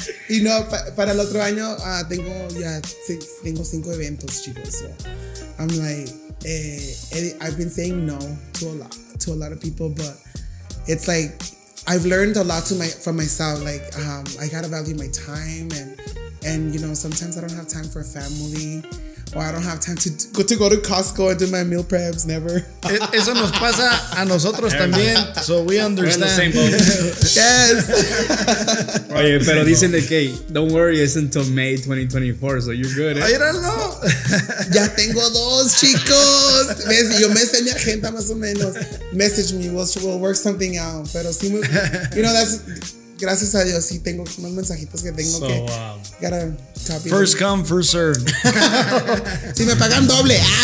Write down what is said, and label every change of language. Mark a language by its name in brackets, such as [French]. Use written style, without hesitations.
[Spanish] Y no, para el otro año tengo 5 eventos, chicos. [English] So I'm like, I've been saying no to a lot of people, but it's like, I've learned a lot from myself. Like, I gotta value my time and you know, sometimes I don't have time for family, or I don't have time to go to Costco and do my meal preps, never. [Spanish] Eso nos pasa a nosotros también, [English] so we understand. We're in the same boat. Yes. [Spanish] Oye, pero dicen de que, [English] don't worry, it's until May 2024, so you're good, eh? [Spanish] Ay, no. Ya tengo dos, chicos. Yo me sé mi agenda más o menos. [English] Message me, we'll work something out. [Spanish] Pero sí, [English] you know, that's... [Spanish] Gracias a Dios, sí tengo unos mensajitos que tengo [English] gotta copy. First come, first serve. [Spanish] Si me pagan doble.